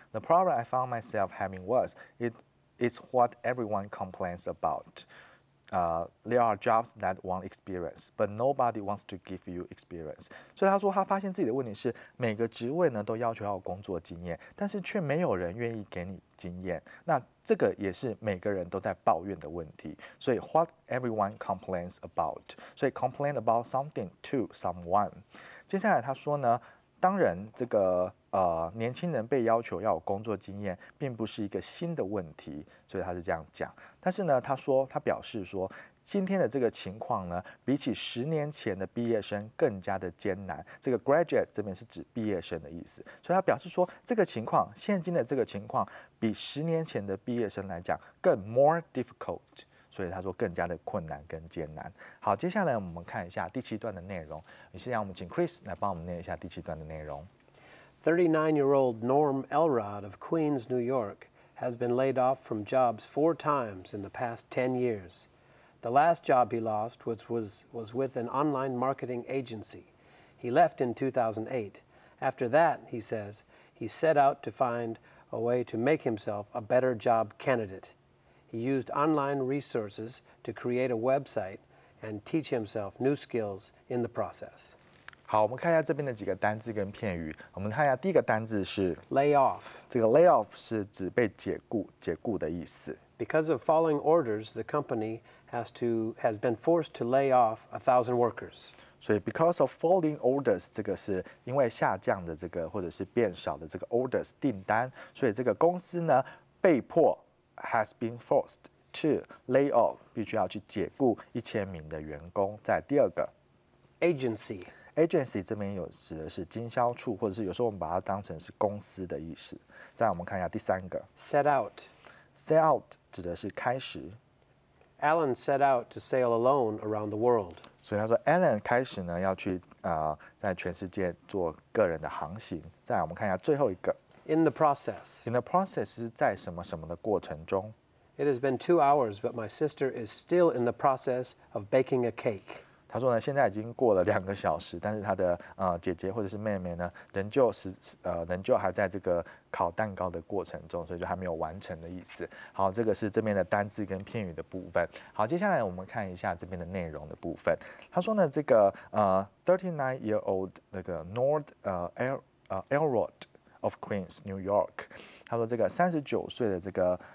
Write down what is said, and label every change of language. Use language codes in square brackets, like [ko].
[en] The problem I found myself having was it's what everyone complains about. There are jobs that want experience, but nobody wants to give you experience. [zh] 所以他说他发现自己的问题是每个职位呢都要求要有工作经验，但是却没有人愿意给你经验。那这个也是每个人都在抱怨的问题。所以 [en] what everyone complains about. [zh] 所以 [en] complain about something to someone. [zh] 接下来他说呢。当然，这个年轻人被要求要有工作经验并不是一个新的问题，所以他是这样讲。但是呢，他说他表示说今天的这个情况呢，比起十年前的毕业生更加的艰难。这个 graduate 这边是指毕业生的意思，所以他表示说这个情况，现今的这个情况比十年前的毕业生来讲更 [en] more difficult， [zh] 所以他说更加的困难跟艰难。好，接下来我们看一下第七段的内容。现在我们请 Chris 来帮我们念一下第七段的内容。 [en] 39-year-old Norm Elrod of Queens, New York, has been laid off from jobs four times in the past 10 years. The last job he lost was with an online marketing agency. He left in 2008. After that, he says, he set out to find a way to make himself a better job candidate. He used online resources to create a website and teach himself new skills in the process. [zh] 好，我们看一下这边的几个单字跟片语。我们看一下第一个单字是 [en] lay off。 [zh] 这个 lay off 是指被解雇、解雇的意思。 [en] Because of following orders, the company has been forced to lay off 1,000 workers. [zh] 所以 [en] because of following orders， [zh] 这个是因为下降的这个或者是变少的这个 orders 订单，所以这个公司呢被迫 [en] has been forced to lay off， [zh] 必须要去解雇1000名的员工。在第二个 [en] agency。 [zh] Agency 这边有指的是经销处，或者是有时候我们把它当成是公司的意思。再来我们看一下第三个 [en] ，set out。 [zh] set out 指的是开始。 [en] Alan set out to sail alone around the world。 [zh] 所以他说 ，Alan 开始呢要去在全世界做个人的航行。再来我们看一下最后一个 [en] ，in the process。 [zh] in the process 是在什么什么的过程中 [en] ？It has been 2 hours, but my sister is still in the process of baking a cake。 [zh] 他说呢，现在已经过了2个小时，但是他的姐姐或者是妹妹呢，仍旧还在这个烤蛋糕的过程中，所以就还没有完成的意思。好，这个是这边的单字跟片语的部分。好，接下来我们看一下这边的内容的部分。他说呢，这个39-year-old 那个 North Elrod of Queens, New York， 他说这个39岁的这个。